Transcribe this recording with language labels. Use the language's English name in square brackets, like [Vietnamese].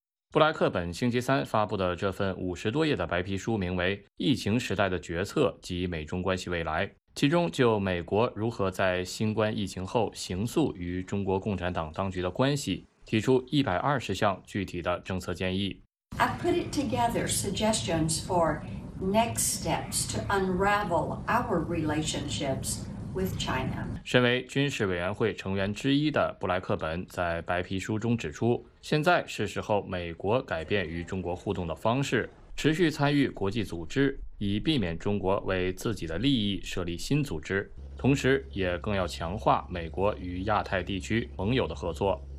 [Chinese] 布莱克本星期三发布的这份50多页的白皮书名为《疫情时代的决策及美中关系未来》，其中就美国如何在新冠疫情后形塑与中国共产党当局的关系，提出120项具体的政策建议。 [English] I put it together suggestions for. Next steps to unravel our relationships with China. [Chinese] 身为军事委员会成员之一的布莱克本在白皮书中指出，现在是时候美国改变与中国互动的方式，持续参与国际组织，以避免中国为自己的利益设立新组织，同时也更要强化美国与亚太地区盟友的合作。